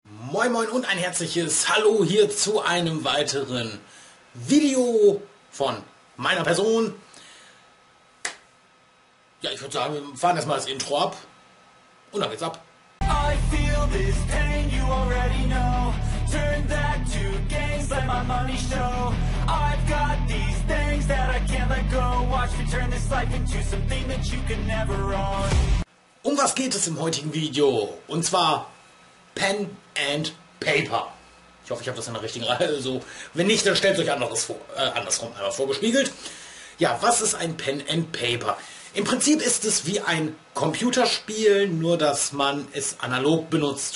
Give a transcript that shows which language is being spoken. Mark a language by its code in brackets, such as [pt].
[de] Moin Moin und ein herzliches Hallo hier zu einem weiteren Video von meiner Person. Ja, ich würde sagen, wir fahren erstmal das Intro ab und dann geht's ab. [en] I feel this pain, you already know. Turn that to gains, let my money show. I've got these things that I can't let go. Watch me turn this life into something that you can never own. [de] Um was geht es im heutigen Video? Und zwar Pen and Paper. Ich hoffe, ich habe das in der richtigen Reihe. Also, wenn nicht, dann stellt euch anderes vor, andersrum einmal vorgespiegelt. Ja, was ist ein Pen and Paper? Im Prinzip ist es wie ein Computerspiel, nur dass man es analog benutzt.